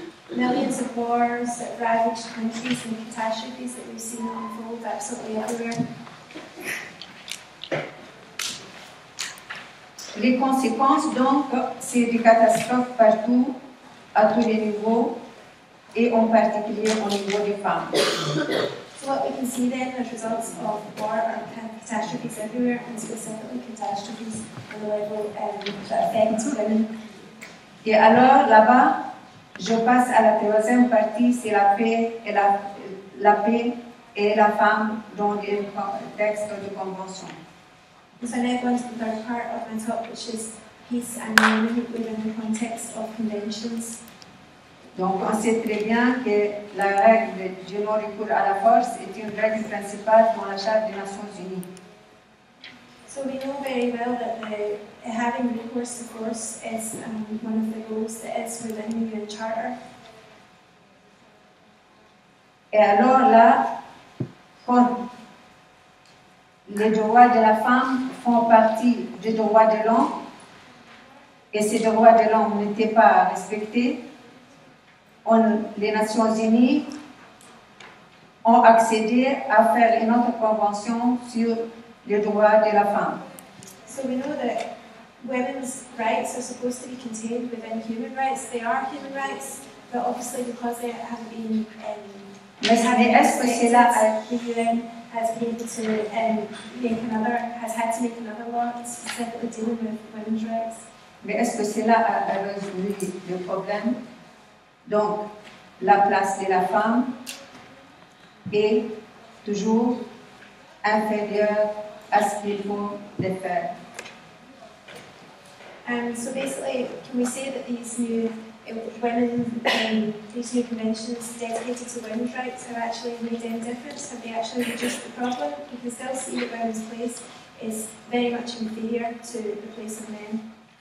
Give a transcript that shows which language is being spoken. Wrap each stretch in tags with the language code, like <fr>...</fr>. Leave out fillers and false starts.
<en>Millions of wars that ravaged countries and catastrophes that we've seen unfold absolutely everywhere.</en> <fr>Les conséquences donc, c'est des catastrophes partout, à tous les niveaux, et en particulier au niveau des femmes.</fr> <en>So what we can see then as results of war are kind of catastrophes everywhere, and specifically catastrophes on the level that affect women.</en> <fr>Et alors là-bas, je passe à la troisième partie, c'est la paix et la paix et la femme dans le contexte de convention.</fr> <en>So now I go on to the third part of my talk, which is peace and women within the context of conventions.</en> <fr>Donc on sait très bien que la règle du non-recours à la force est une règle principale dans la Charte des Nations Unies.</fr> <en>So we know very well that the, having recourse to force is one of the goals that is within the UN Charter.</en> <fr>Et alors là, quand les droits de la femme font partie des droits de l'homme et ces droits de l'homme n'étaient pas respectés, les Nations Unies ont accédé à faire une autre convention sur les droits de la femme.</fr> <en>So we know that women's rights are supposed to be contained within human rights. They are human rights, but obviously because they have been has had to make another law specifically dealing with women's rights.</en> <fr>Mais est-ce que cela a résolu le problème? Donc, la place de la femme est toujours inférieure à ce qu'il faut le faire.</fr> <en>So basically, can we say that these new conventions dedicated to women's rights have actually made any difference? Have they actually reduced the problem? We can still see that women's place is very much inferior to the place of men.</en>